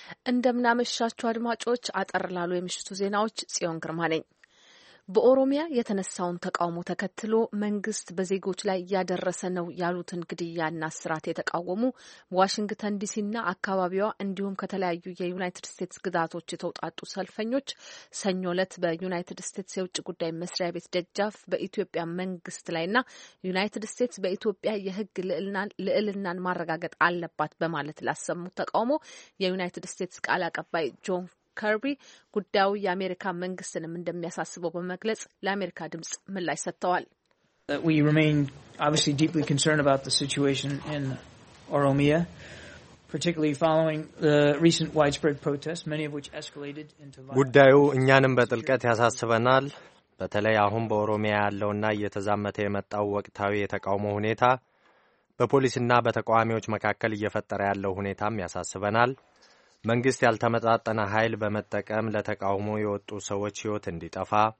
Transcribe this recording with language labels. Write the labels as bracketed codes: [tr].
[am] እንደምናመሻችሁ አድማጮች፣ አጠርላሉ የምሽቱ ዜናዎች። ጽዮን ግርማ ነኝ። በኦሮሚያ የተነሳውን ተቃውሞ ተከትሎ መንግስት በዜጎች ላይ ያደረሰ ነው ያሉትን ግድያና ስራት የተቃወሙ ዋሽንግተን ዲሲና አካባቢዋ እንዲሁም ከተለያዩ የዩናይትድ ስቴትስ ግዛቶች የተውጣጡ ሰልፈኞች ሰኞ ዕለት በዩናይትድ ስቴትስ የውጭ ጉዳይ መስሪያ ቤት ደጃፍ በኢትዮጵያ መንግስት ላይና ዩናይትድ ስቴትስ በኢትዮጵያ የህግ ልዕልናን ማረጋገጥ አለባት በማለት ላሰሙት ተቃውሞ የዩናይትድ ስቴትስ ቃል አቀባይ ጆን ከርቢ ጉዳዩ የአሜሪካ መንግስትንም እንደሚያሳስበው በመግለጽ ለአሜሪካ ድምጽ ምላሽ ሰጥተዋል። [en] We remain obviously deeply concerned about the situation in Oromia, particularly following the recent widespread protests, many of which escalated into violence. [am] ጉዳዩ እኛንም በጥልቀት ያሳስበናል። በተለይ አሁን በኦሮሚያ ያለውና እየተዛመተ የመጣው ወቅታዊ የተቃውሞ ሁኔታ፣ በፖሊስና በተቃዋሚዎች መካከል እየፈጠረ ያለው ሁኔታም ያሳስበናል። መንግስት ያልተመጣጠነ ኃይል በመጠቀም ለተቃውሞ የወጡ ሰዎች ህይወት እንዲጠፋ፣